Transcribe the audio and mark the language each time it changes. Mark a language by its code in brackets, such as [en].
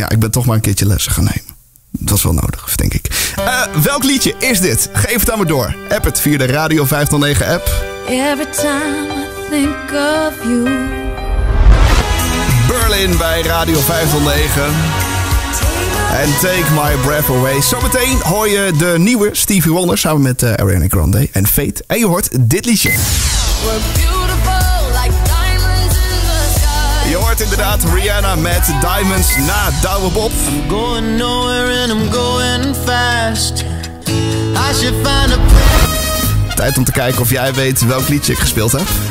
[nl] Toch maar een keertje lessen gaan nemen. Dat was wel nodig, denk ik. Welk liedje is dit? Geef het dan maar door. App het via de Radio 509 app. [en] Every time I think of you. [nl] Berlin bij Radio 509. En Take My Breath Away. Zometeen hoor je de nieuwe Stevie Wonder samen met Ariana Grande en Fate. En je hoort dit liedje. Je hoort inderdaad Rihanna met Diamonds na Douwe Bob. [en] I'm going nowhere and I'm going fast. I should find a place. [nl] Tijd om te kijken of jij weet welk liedje ik gespeeld heb.